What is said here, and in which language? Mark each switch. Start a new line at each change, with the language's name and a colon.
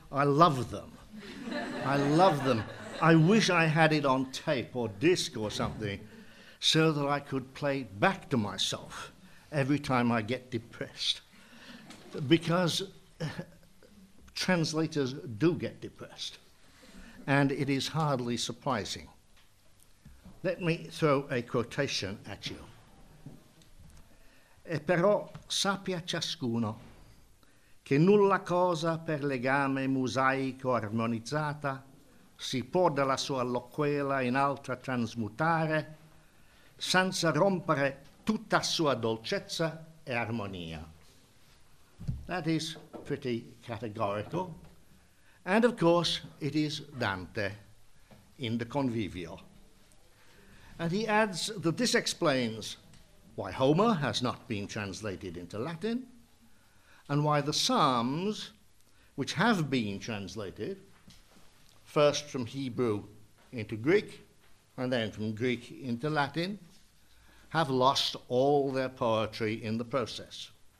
English: I love them. I love them. I wish I had it on tape or disc or something so that I could play it back to myself every time I get depressed. Because translators do get depressed, and it is hardly surprising. Let me throw a quotation at you.
Italian: E però sappia ciascuno che nulla cosa per legame mosaico armonizzata si può dalla sua loquela in altra trasmutare senza rompere tutta sua dolcezza e armonia.
English: That is pretty categorical. And of course it is Dante in the Convivio. And he adds that this explains why Homer has not been translated into Latin, and why the Psalms, which have been translated, first from Hebrew into Greek, and then from Greek into Latin, have lost all their poetry in the process.